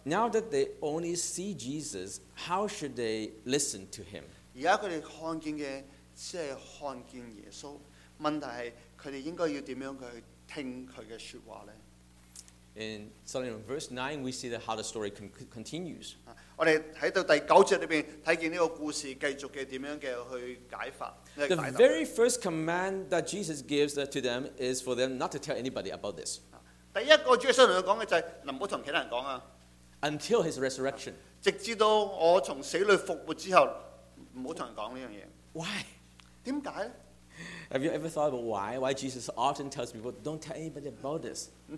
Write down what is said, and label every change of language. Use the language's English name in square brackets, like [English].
[English] Now that they only see Jesus, how should they listen to him? [Chinese] 現在他們看見的只是看見耶穌，問題是他們應該要怎樣去聽他的說話呢？ [English] In starting in verse 9, we see how the story continues. [Chinese] 我們在第九節裡面看見這個故事繼續的怎樣去解法。 [English] The very first command that Jesus gives to them is for them not to tell anybody about this. [Chinese] 第一個主要想跟他們說的就是不要跟其他人說。 [English] Until his resurrection. [Chinese] 直到我從死裡復活之後。 [English] Why? [Chinese] 為什麼呢? [English] Have you ever thought about why Jesus often tells people, don't tell anybody about this?